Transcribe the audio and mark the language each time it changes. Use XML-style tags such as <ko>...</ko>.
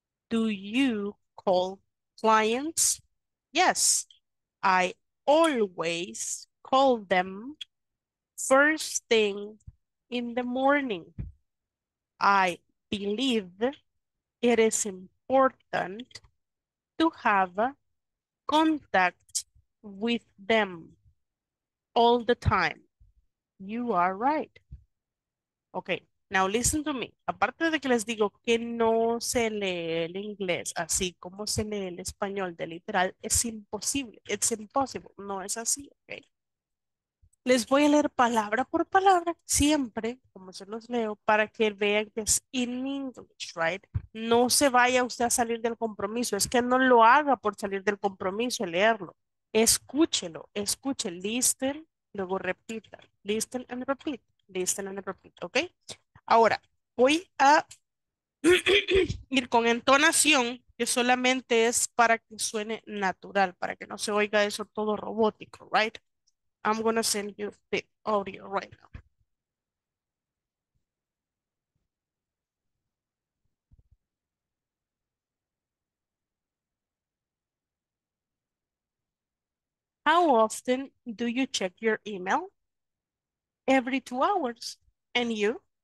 <en>Do you call clients? Yes, I always call them first thing in the morning. I believe it is important to have contact with them all the time. You are right. Okay, now listen to me.</en> <es>Aparte de que les digo que no se lee el inglés así como se lee el español de literal, es imposible.</es> <en>It's impossible.</en> <es>No es así, okay? Les voy a leer palabra por palabra, siempre, como se los leo, para que vean que es</es> <en>in English, right?</en> <es>No se vaya usted a salir del compromiso. Es que no lo haga por salir del compromiso y leerlo. Escúchelo, escuche,</es> <en>listen,</en> <es>luego repita.</es> <en>Listen and repeat, listen and repeat,</en> <es>¿ok? Ahora, voy a ir con entonación, que solamente es para que suene natural, para que no se oiga eso todo robótico,</es> <en>right? I'm going to send you the audio right now. How often do you check your email? Every 2 hours. And you?</en>